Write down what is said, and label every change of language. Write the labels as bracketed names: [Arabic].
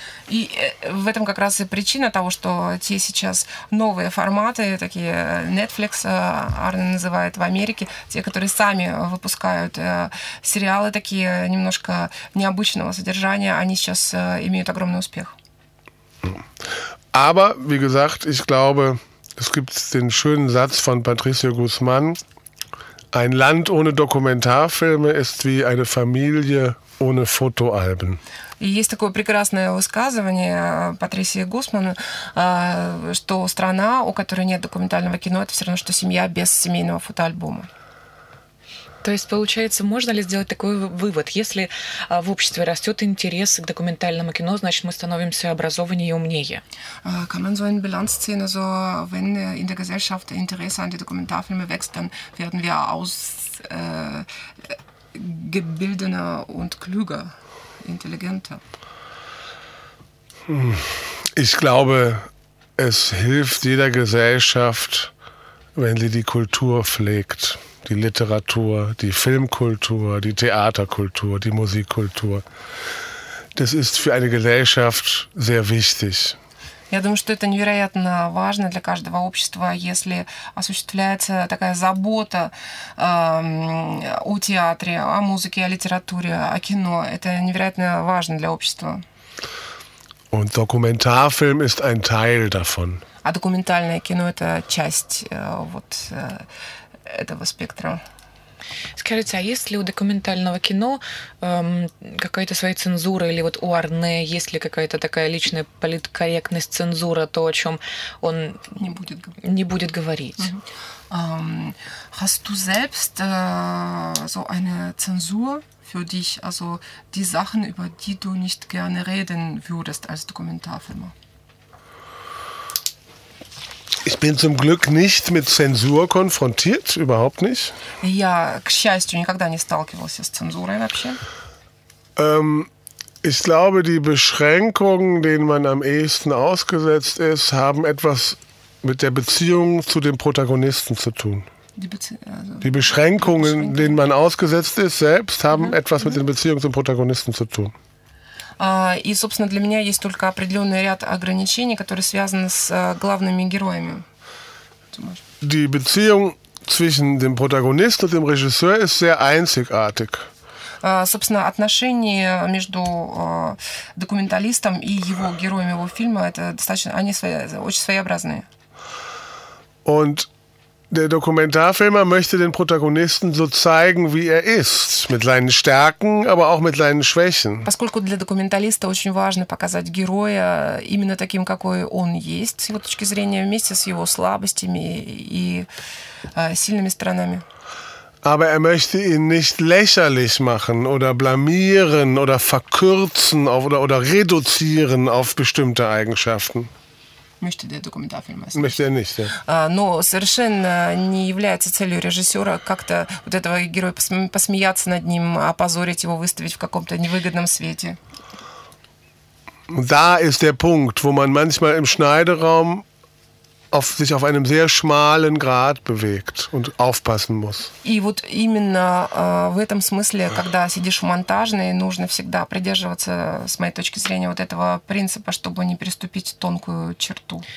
[Russian] И в этом как раз и причина того, что те сейчас новые форматы, такие Netflix, Арне называет в Америке, те, которые сами выпускают сериалы такие немножко необычного содержания, они сейчас имеют огромный успех. [German] Aber, wie gesagt, ich glaube, es gibt den schönen Satz von Patricio Guzman: Ein Land ohne Dokumentarfilme ist wie eine Familie ohne Fotoalben. [Russian] И есть такое прекрасное высказывание Патрисии Гусман, что страна, у которой нет документального кино, это все равно, что семья без семейного фотоальбома. То есть, получается, можно ли сделать такой вывод? Если в обществе растет интерес к документальному кино, значит, мы становимся образованнее и умнее. [German] Kann man so einen Bilanz ziehen? Also, wenn in der Gesellschaft Interesse an die Dokumentarfilme wächst, dann werden wir ausgebildener und klüger. Intelligenter. Ich glaube, es hilft jeder Gesellschaft, wenn sie die Kultur pflegt. Die Literatur, die Filmkultur, die Theaterkultur, die Musikkultur. Das ist für eine Gesellschaft sehr wichtig. [Russian] Я думаю, что это невероятно важно для каждого общества, если осуществляется такая забота о театре, о музыке, о литературе, о кино. Это невероятно важно для общества. [German] Und Dokumentarfilm ist ein Teil davon. [Russian] А документальное кино – это часть вот этого спектра. Скажите, а есть ли у документального кино какая-то своя цензура, или вот у Арне есть ли какая-то такая личная политкорректность, цензура, то, о чем он не будет говорить? [German] Hast du selbst so eine Zensur für dich, also die Sachen, über die du nicht gerne reden würdest als Dokumentarfilmer? Ich bin zum Glück nicht mit Zensur konfrontiert, überhaupt nicht. [Russian] Я, к счастью, никогда не сталкивался с цензурой вообще. [German] Ich glaube, die Beschränkungen, denen man am ehesten ausgesetzt ist, haben etwas mit der Beziehung zu dem Protagonisten zu tun. Die Beschränkungen, denen man ausgesetzt ist, selbst haben etwas mit den Beziehungen zum Protagonisten zu tun. [Russian] И, собственно, для меня есть только определенный ряд ограничений, которые связаны с главными героями. [German] Die Beziehung zwischen dem Protagonisten und dem Regisseur ist sehr einzigartig. [Russian] Собственно, отношения между документалистом и его героем его фильма, это достаточно, они очень своеобразные. [German] Und der Dokumentarfilmer möchte den Protagonisten so zeigen, wie er ist, mit seinen Stärken, aber auch mit seinen Schwächen. [Russian] Поскольку для документалиста очень важно показать героя именно таким, какой он есть, с его точки зрения, вместе с его слабостями и сильными сторонами. [German] Aber er möchte ihn nicht lächerlich machen oder blamieren oder verkürzen oder reduzieren auf bestimmte Eigenschaften. Möchte der Dokumentarfilm also. Möchte er nicht, ja. [Russian] Но совершенно не является целью режиссера как-то вот этого героя посмеяться над ним, опозорить его, выставить в каком-то невыгодном свете. [German] Da ist der Punkt, wo man manchmal im Schneideraum sich auf einem sehr schmalen Grat bewegt und aufpassen muss. [Russian] И вот именно в этом смысле, когда сидишь в монтажной, нужно всегда придерживаться, с моей точки зрения, вот этого принципа, чтобы не переступить тонкую черту.